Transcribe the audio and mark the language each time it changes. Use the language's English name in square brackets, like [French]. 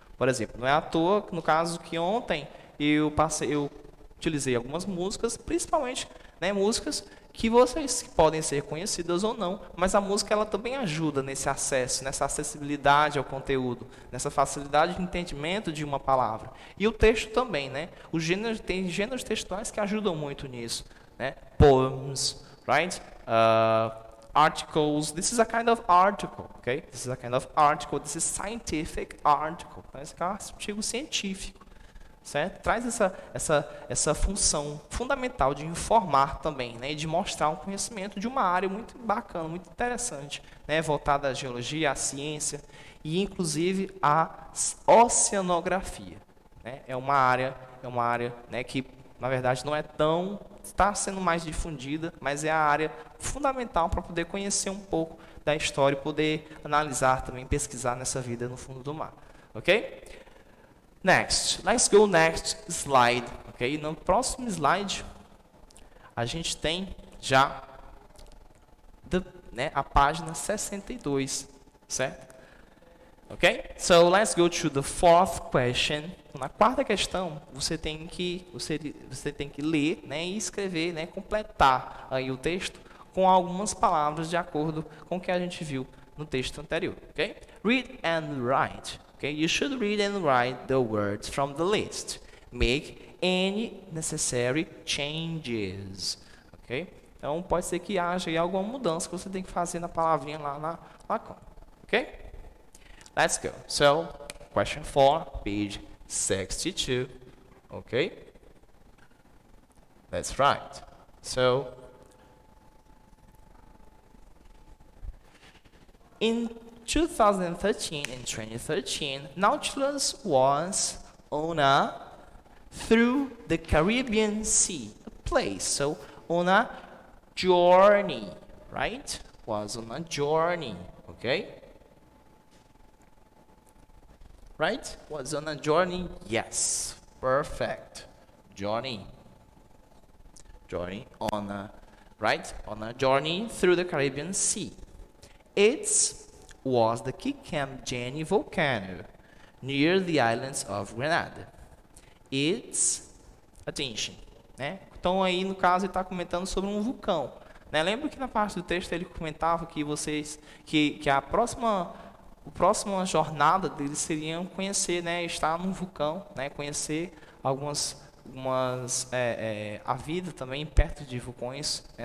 [Portuguese] Por exemplo, não é à toa, no caso, que ontem eu utilizei algumas músicas, principalmente, né, músicas que vocês podem ser conhecidas ou não, mas a música ela também ajuda nesse acesso, nessa acessibilidade ao conteúdo, nessa facilidade de entendimento de uma palavra. E o texto também, né? Os gêneros, tem gêneros textuais que ajudam muito nisso, né? [English] Poems, right? Articles, this is a kind of article, okay? This is a kind of article, this is scientific article. [Portuguese] Então, esse é um artigo científico, certo? Traz essa função fundamental de informar também, né? E de mostrar um conhecimento de uma área muito bacana, muito interessante, né? Voltada à geologia, à ciência e, inclusive, à oceanografia, né? É uma área, né, que, na verdade, não é tão... está sendo mais difundida, mas é a área fundamental para poder conhecer um pouco da história e poder analisar também, pesquisar nessa vida no fundo do mar. [English] Ok? Next. Let's go next slide. Ok? [Portuguese] No próximo slide, a gente tem já a página 62. Certo? Ok? [English] So, let's go to the fourth question. [Portuguese] Na quarta questão, você tem que ler, né, e escrever, né, completar aí o texto com algumas palavras de acordo com o que a gente viu no texto anterior. [English] Okay? Read and write. Okay? You should read and write the words from the list. Make any necessary changes. Okay? [Portuguese] Então, pode ser que haja aí alguma mudança que você tem que fazer na palavrinha lá na lacuna. [English] Okay? Let's go. So, question 4, page 62. Okay? That's right. So, in 2013 and 2013, Nautilus was on a through the Caribbean Sea, a place. So, on a journey, right? Was on a journey, okay? Right? Was on a journey? Yes. Perfect. Journey. Journey on a, right? On a journey through the Caribbean Sea. It was the Kikem Jenny volcano near the islands of Grenada. It's attention, né? [Portuguese] Então aí no caso ele está comentando sobre um vulcão, né? Lembra que na parte do texto ele comentava que vocês que a próxima jornada deles seriam conhecer, né? Estar num vulcão, né? Conhecer a vida também perto de vulcões, né?